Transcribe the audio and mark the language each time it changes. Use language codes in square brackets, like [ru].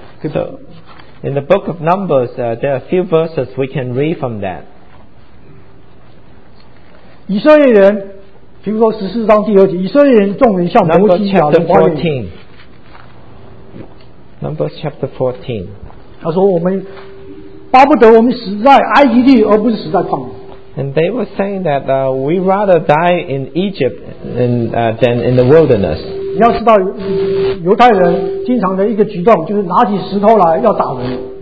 [en] So, in the book of Numbers, there are a few verses we can read from that. [zh] 以色列人，比如说十四章第二节，以色列人众人向摩西亚人发言。 [en] Numbers chapter 14. [zh] 他说：“我们巴不得我们死在埃及地，而不是死在旷野。” [en] And they were saying that we rather die in Egypt than in the wilderness. [zh] 你要知道，犹太人经常的一个举动就是拿起石头来要打人。